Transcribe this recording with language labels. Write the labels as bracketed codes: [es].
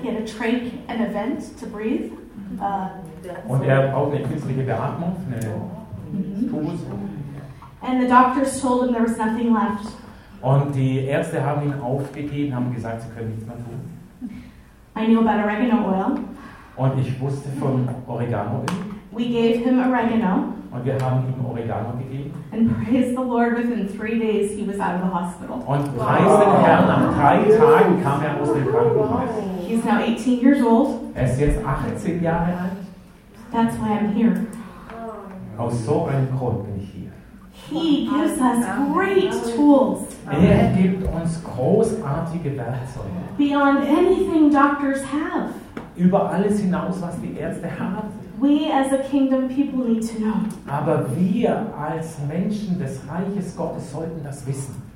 [en] He had a trach and a vent to breathe. [de] Und er braucht eine künstliche Beatmung, eine Pause. [en] And the doctors told him there was nothing left. [de] Und die Ärzte haben ihn aufgegeben, haben gesagt, sie können nichts mehr tun. [en] I knew about oregano oil. [de] Und ich wusste von Oregano. [en] We gave him oregano. [de] Und wir haben ihm Oregano gegeben. [en] And praise the Lord, within 3 days he was out of the hospital. [de] Und preis den Herrn, nach 3 Tagen kam aus dem Krankenhaus. [en] He's now 18 years old. [de] Ist jetzt 18 Jahre alt. [en] That's why I'm here. [de] Aus so einem Grund bin ich hier. [en] He gives us great tools. [de] Er gibt uns großartige Werkzeuge. [en] Beyond anything doctors have. [de] Über alles hinaus, was die Ärzte haben. [en] We as a kingdom people need to know. [de] Aber wir als Menschen des Reiches Gottes sollten das wissen.